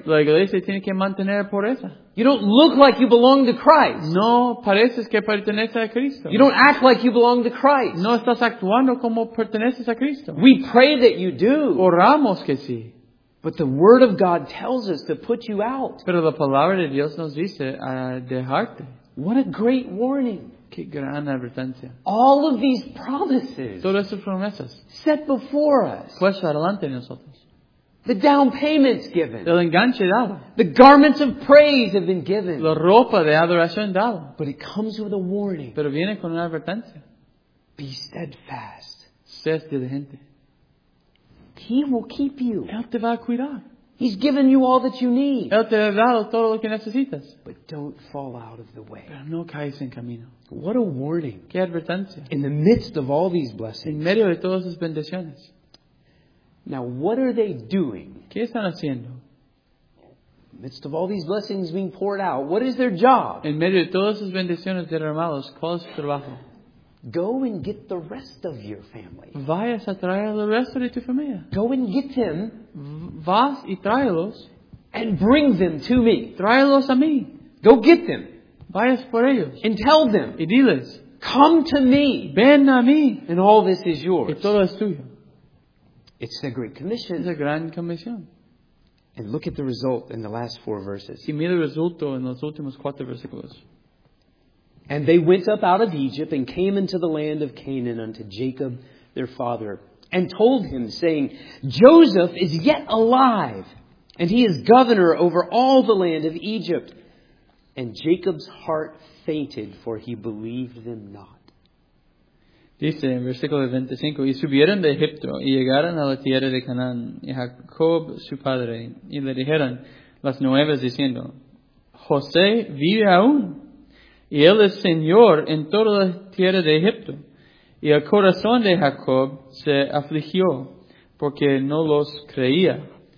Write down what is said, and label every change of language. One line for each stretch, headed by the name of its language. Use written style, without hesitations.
Spanish: La iglesia tiene que mantener pureza.
English: You don't look like you belong to Christ.
Spanish: No pareces que perteneces a Cristo.
English: You don't act like you belong to Christ.
Spanish: No estás actuando como perteneces a Cristo.
English: We pray that you do.
Spanish: Oramos que sí.
English: But the word of God tells us to put you out.
Spanish: Pero la palabra de Dios nos dice a dejarte.
English: What a great warning.
Spanish: Qué gran advertencia.
English: All of these promises.
Spanish: Todas estas promesas.
English: Set before us.
Spanish: Puesto adelante nosotros.
English: The down payment's given.
Spanish: El enganche dado.
English: The garments of praise have been given.
Spanish: La ropa de adoración dado.
English: But it comes with a warning.
Spanish: Pero viene con una advertencia.
English: Be steadfast.
Spanish: Sé diligente.
English: He will keep you.
Spanish: Él te va a cuidar.
English: He's given you all that you need.
Spanish: Él te ha dado todo lo que necesitas.
English: But don't fall out of the way.
Spanish: Pero no caes en camino.
English: What a warning.
Spanish: Qué advertencia.
English: In the midst of all these blessings.
Spanish: En medio de todas esas bendiciones.
English: Now, what are they doing?
Spanish: ¿Qué están haciendo?
English: In the midst of all these blessings being poured out, what is their job?
Spanish: En medio de todas esas bendiciones derramadas, ¿cuál es su trabajo?
English: Go and get the rest of your family.
Spanish: Vayas a traer el resto de tu familia.
English: Go and get them.
Spanish: Vas y tráelos.
English: And bring them to me.
Spanish: Tráelos a mí.
English: Go get them.
Spanish: Vayas por ellos.
English: And tell them.
Spanish: Y diles.
English: Come to me.
Spanish: Ven a mí.
English: And all this is yours.
Spanish: Y todo es tuyo.
English: It's the Great Commission.
Spanish: Es la Gran Comisión.
English: And look at the result in the last four verses.
Spanish: Y mira el resultado en los últimos cuatro versículos.
English: And they went up out of Egypt and came into the land of Canaan unto Jacob, their father, and told him, saying, Joseph is yet alive, and he is governor over all the land of Egypt. And Jacob's heart fainted, for he believed them not.
Spanish: Dice en versículo 25, Y subieron de Egipto, y llegaron a la tierra de Canaán, y Jacob su padre, y le dijeron las nuevas, diciendo, José vive aún. Y él es señor en toda la tierra de Egipto. Y el corazón de Jacob se afligió porque no los creía.